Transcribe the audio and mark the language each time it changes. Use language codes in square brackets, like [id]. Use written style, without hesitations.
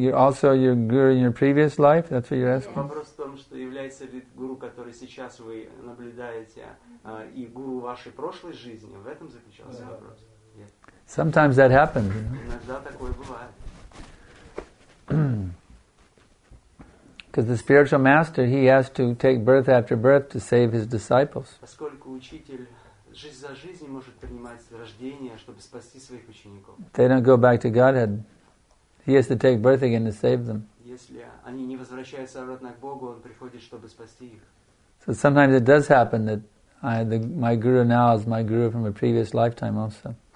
[en] You're also your guru in your previous life. That's what you're asking. [ru] Вопрос в том, что является ли гуру, который сейчас вы наблюдаете, и гуру вашей прошлой жизни. В этом заключался вопрос. [en] Sometimes that happens. [ru] Иногда такое бывает. [en] Because the spiritual master, he has to take birth after birth to save his disciples. [ru] Поскольку учитель жизнь за жизнь может принимать рождение, чтобы спасти своих учеников. [en] They don't go back to Godhead. He has to take birth again to save them. [ru] Если они не возвращаются обратно к Богу, он приходит, чтобы спасти их. [en] So sometimes it does happen that my guru now is my guru from a previous lifetime also.